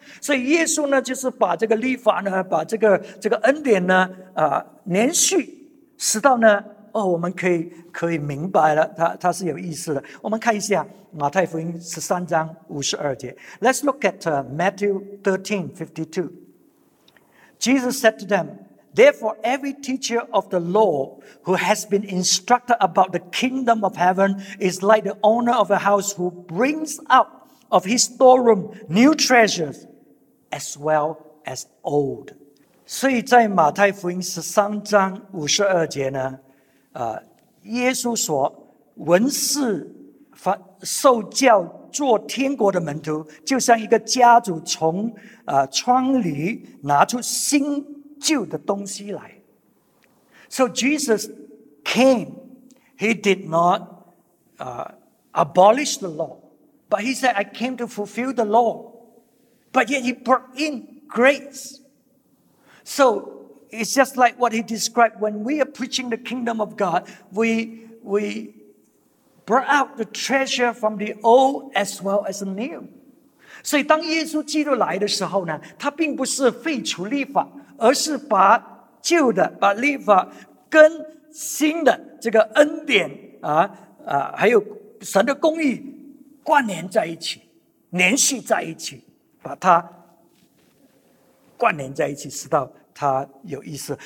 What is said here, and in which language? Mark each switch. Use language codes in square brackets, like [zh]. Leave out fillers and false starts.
[zh] 所以耶稣呢，就是把这个律法呢，把这个恩典呢，连续，直到呢，哦，我们可以明白了，它是有意思的。我们看一下马太福音十三章五十二节。 [en] Let's look at Matthew 13:52. Jesus said to them, "Therefore, every teacher of the law who has been instructed about the kingdom of heaven is like the owner of a house who brings out of his storeroom new treasures as well as old." [zh] 所以在马太福音十三章五十二节呢，耶稣说，文士受教做天国的门徒，就像一个家主从窗里拿出新旧的东西来。 [en] So Jesus came, he did not abolish the law, but he said, "I came to fulfill the law." But yet he brought in grace. So it's just like what he described. When we are preaching the kingdom of God, we brought out the treasure from the old as well as the new. [zh] 所以当耶稣基督来的时候呢，他并不是废除律法，而是把旧的，把律法跟新的这个恩典还有神的公义关联在一起，联系在一起，把它关联在一起，直到它有意思。